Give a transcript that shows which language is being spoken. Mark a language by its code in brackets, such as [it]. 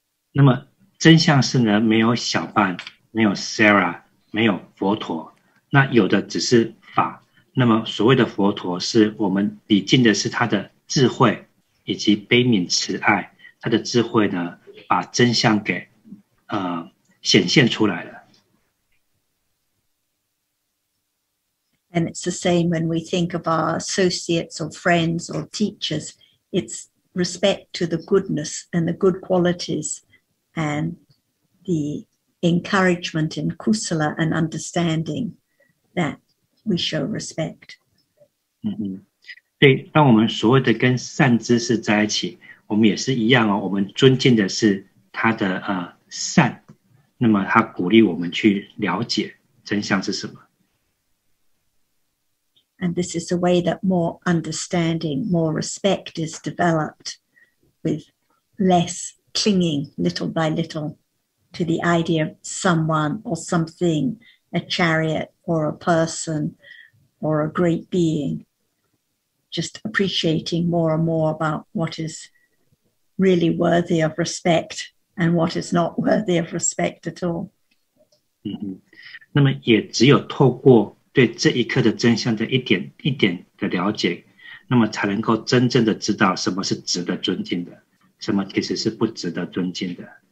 [zh] 那么真相是呢，没有小伴，没有 Sarah， 没有佛陀，那有的只是法。那么所谓的佛陀，是我们礼敬的是他的智慧以及悲悯慈爱，他的智慧呢，把真相给显现出来了。 [en] And it's the same when we think of our associates or friends or teachers. It's respect to the goodness and the good qualities and the encouragement in kusala and understanding that we show respect. [zh] 对，当我们所谓的跟善知识在一起，我们也是一样哦，我们尊敬的是他的善，那么他鼓励我们去了解真相是什么。 [en] And this is a way that more understanding, more respect is developed with less clinging little by little to the idea of someone or something, a chariot or a person or a great being. Just appreciating more and more about what is really worthy of respect and what is not worthy of respect at all. [zh] 嗯，那么也只有透过对这一刻的真相的一点一点的了解，那么才能够真正的知道什么是值得尊敬的，什么其实是不值得尊敬的。